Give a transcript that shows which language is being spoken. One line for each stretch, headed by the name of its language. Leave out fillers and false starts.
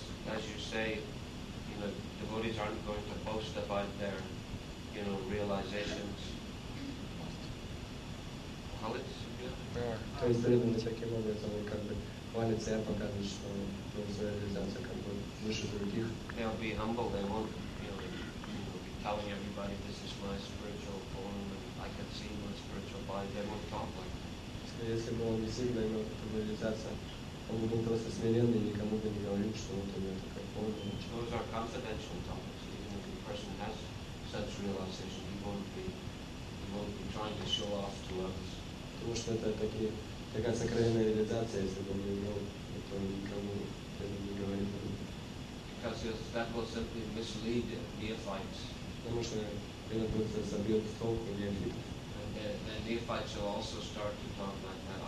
English: As you say, you know, devotees aren't going to boast about their, you know, realizations.
Russian: То есть преданный таким образом, он как бы хвалит себя, показывает, что он свою реализацию как бы выше других.
English: They'll be humble, they won't, you know, be telling everybody this is my spiritual form and I can see my spiritual body, they won't talk like that.
Russian: Если бы он действительно имел такую реализацию, он бы был просто смиренный и никому бы не говорил, что вот у него такая форма.
English: Those are confidential topics. Even if a person has such realization, he won't be trying to show off to others.
Russian: Потому что это такая сокровенная реализация, если бы он не имел, то он никому это не говорит.
English: Because that will simply mislead neophytes.
Russian: Потому что это просто собьет с толку неофитов.
English: And neophytes will also start to talk like that.